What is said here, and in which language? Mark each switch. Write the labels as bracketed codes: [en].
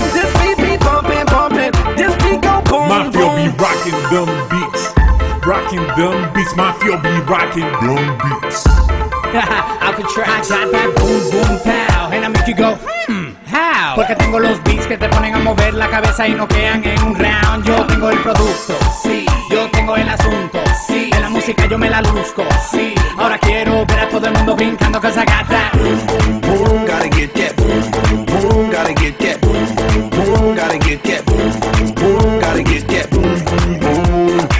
[en] This beat be bumping, bumping. This beat go boom, boom. My feel be rocking them beats. Rocking them beats. My feel be rocking them beats. I could try. I got that boom, boom, pow. And I make you go, how? [es] Porque tengo los beats que te ponen a mover la cabeza y no quedan en un round. Yo tengo el producto, sí. Yo tengo el asunto, sí. En la música yo me la luzco, sí. Ahora quiero ver a todo el mundo brincando, [en] cause I got that boom, boom, boom. Gotta get that boom, boom, boom. Gotta get that boom, boom, boom. Gotta get that boom, boom, boom. Gotta get that boom, boom, boom.